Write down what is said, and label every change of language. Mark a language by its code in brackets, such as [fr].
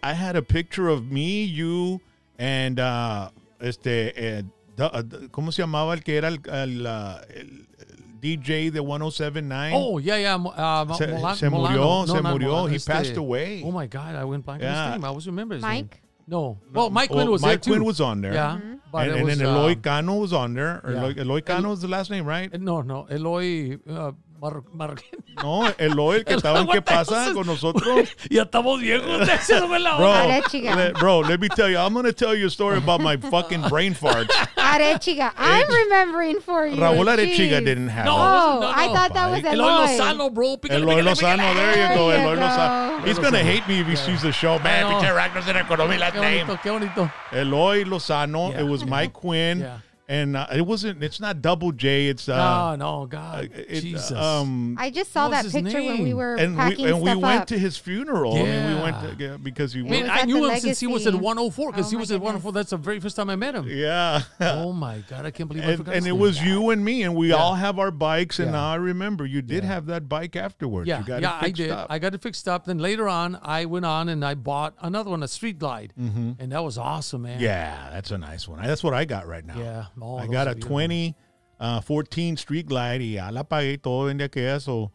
[en] I had a picture of me, you, and [es] ¿cómo se llamaba el que era el DJ de 107.9? [en] Oh, yeah. Passed away. Oh, my God. I went blank on his name. I always remember his Mike? Name. Mike Quinn was on there. Yeah. And Eloy Cano was on there. Eloy Cano is the last name, right? No. Eloy... Marroquín. [es] No, Eloy, el que estaba en Que Pasa con nosotros. Ya estamos viejos. Déjame la [en] bro, bro, let me tell you. I'm going to tell you a story about my fucking brain farts. Arechiga. I'm remembering for you. Raúl Arechiga didn't have no, no, I thought that was Eloy. Eloy Lozano, bro. Eloy Lozano. There you go. Eloy Lozano. He's going to hate me if he sees the show. [es] Man, Pinche Ragnos en Economía Latina. Qué bonito, qué bonito. [en] Eloy Lozano. Yeah. It was Mike Quinn. Yeah. And it wasn't, it's not Double J. It's, no, no, God. Jesus. I just saw that picture when we were packing stuff up. To his funeral. Yeah. I mean, we went to, yeah, because he went. I knew him legacy. Since he was at 104, because he was at 104. That's the very first time I met him. Yeah. Oh, my God. I can't believe and, I forgot. And it was you and me, and we all have our bikes. And now I remember you did have that bike afterwards. Yeah. You got it fixed up. I got it fixed up. Then later on, I went on and I bought another one, a street glide. Mm-hmm. And that was awesome, man. Yeah. That's a nice one. That's what I got right now. Yeah. Oh, I got a 2014 street glide, [es] y la pagué todo el día que eso.